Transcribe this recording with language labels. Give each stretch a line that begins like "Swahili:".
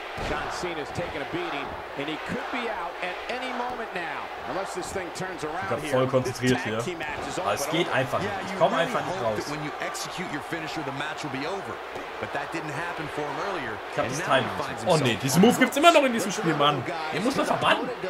English: John Cena's taking a beating and he could be out at any moment now. Unless this thing turns around here.
German: Ich bin voll konzentriert hier. Aber es geht einfach nicht. Ich komme einfach nicht raus.
English: When you execute your finisher, the match will be over. But that didn't happen for him earlier.
German: Ich hab das Timing. Oh nee, diesen Move gibt's immer noch in diesem Spiel, Mann. Den muss man verbannen.